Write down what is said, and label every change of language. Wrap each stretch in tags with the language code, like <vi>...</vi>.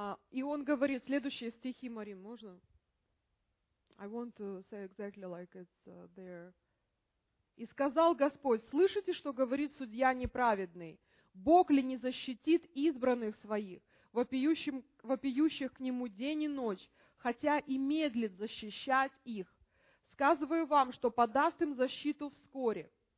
<ru>И он говорит, следующие стихи, Марин, можно?</ru> <en>I want to say exactly like it's there.</en> <ru>И сказал Господь, слышите, что говорит судья неправедный? Бог ли не защитит избранных своих, вопиющих к нему день и ночь, хотя и медлит защищать их? Сказываю вам, что подаст им защиту вскоре.</ru>